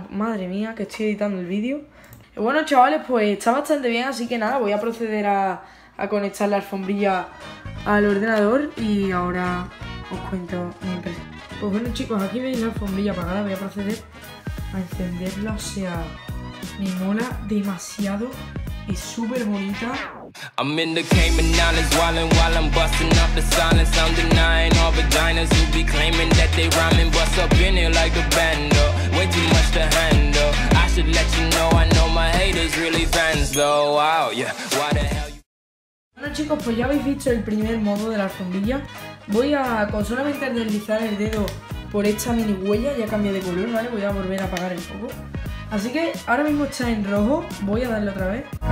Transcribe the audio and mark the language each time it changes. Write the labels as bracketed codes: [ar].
[es] Madre mía, que estoy editando el vídeo. Bueno, chavales, pues está bastante bien. Así que nada, voy a proceder a conectar la alfombrilla al ordenador. Y ahora os cuento mi impresión. Pues bueno, chicos, aquí veis la alfombrilla apagada. Voy a proceder a encenderla. O sea, me mola demasiado. Es súper bonita. [en] I'm in the Cayman Islands, wildin' while I'm bustin' up the silence. I'm denying all the diners who be claiming that they rhymin'. Bust up in here like a bando, way too much to handle. I should let you know, I know my haters really fans though. Wow, yeah, why the hell you... [es] Bueno chicos, pues ya habéis visto el primer modo de la alfombrilla. Voy a, con solamente deslizar el dedo por esta mini huella, ya cambié de color, ¿vale? Voy a volver a apagar el foco. Así que ahora mismo está en rojo, voy a darle otra vez.